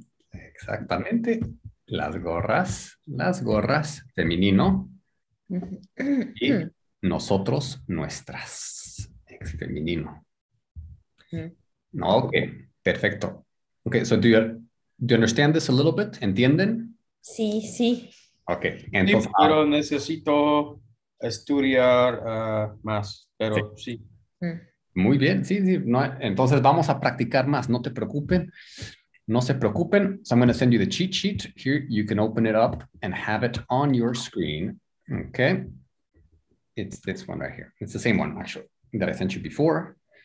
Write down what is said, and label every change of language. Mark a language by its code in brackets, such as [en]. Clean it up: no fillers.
[es] Exactamente, las gorras, femenino, y nosotros, nuestras, ex femenino. No, ok, perfecto. [en] Ok, so do you understand this a little bit? [es] ¿Entienden? Sí, sí. Ok, entonces. Sí, pero necesito estudiar más, pero sí. Muy bien, sí, sí. No, entonces vamos a practicar más, no te preocupen. No se preocupen. [en] So I'm going to send you the cheat sheet. Here, you can open it up and have it on your screen. Okay. It's this one right here. It's the same one, actually, that I sent you before.